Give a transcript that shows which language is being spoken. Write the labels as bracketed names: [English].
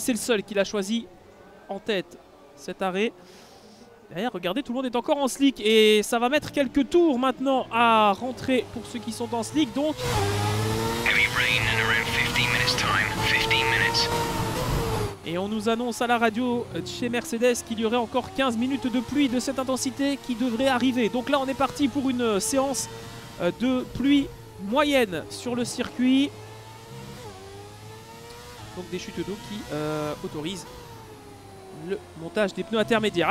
[French] C'est le seul qu'il a choisi en tête, cet arrêt. D'ailleurs, regardez, tout le monde est encore en slick et ça va mettre quelques tours maintenant à rentrer pour ceux qui sont en slick. Donc, [English] heavy rain in around 15 minutes time. 15 minutes. [French] Et on nous annonce à la radio chez Mercedes qu'il y aurait encore 15 minutes de pluie de cette intensité qui devrait arriver. Donc là, on est parti pour une séance de pluie moyenne sur le circuit. Donc des chutes d'eau qui autorisent le montage des pneus intermédiaires.